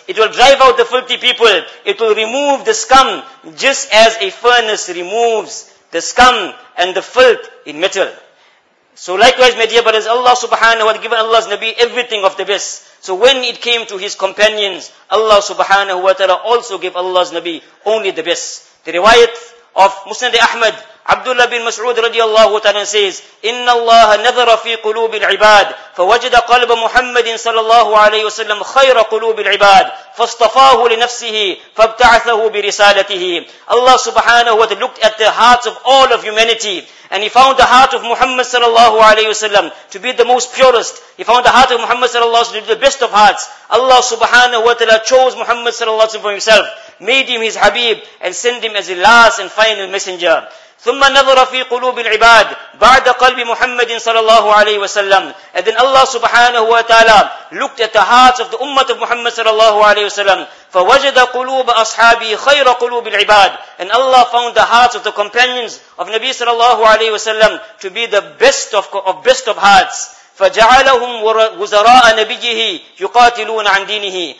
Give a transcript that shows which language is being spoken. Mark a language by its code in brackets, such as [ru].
[en] It will drive out the filthy people. It will remove the scum just as a furnace removes the scum and the filth in metal. So likewise, my dear brothers, Allah subhanahu wa ta'ala given Allah's Nabi everything of the best. So when it came to his companions, Allah subhanahu wa ta'ala also gave Allah's Nabi only the best. The riwayat of Musnad Ahmad, Abdullah bin Mas'ud radiallahu ta'ala says, [ar] إِنَّ اللَّهَ نَذَرَ فِي قُلُوبِ الْعِبَادِ فَوَجَدَ قَلْبَ مُحَمَّدٍ صَلَى اللَّهُ عَلَيْهِ وَسَلَّمْ خَيْرَ قُلُوبِ الْعِبَادِ فَاصْطَفَاهُ لِنَفْسِهِ فَابْتَعَثَهُ بِرِسَالَتِهِ. [en] Allah subhanahu wa ta'ala looked at the hearts of all of humanity. And he found the heart of Muhammad sallallahu alayhi wasallam to be the most purest. He found the heart of Muhammad sallallahu alayhi wasallam to be the best of hearts. Allah subhanahu wa ta'ala chose Muhammad sallallahu alayhi wasallam for himself, made him his habib, and sent him as the last and final messenger. [ar] ثم نظر في قلوب العباد بعد قلب محمد صلى الله عليه وسلم. [en] And then Allah subhanahu wa ta'ala looked at the hearts of the ummah of Muhammad صلى الله عليه وسلم. [ar] فوجد قلوب أصحابي خير قلوب العباد. [en] And Allah found the hearts of the companions of Nabi صلى الله عليه وسلم to be the best of hearts. [ar] فجعلهم وزراء نبيه يقاتلون عن دينه.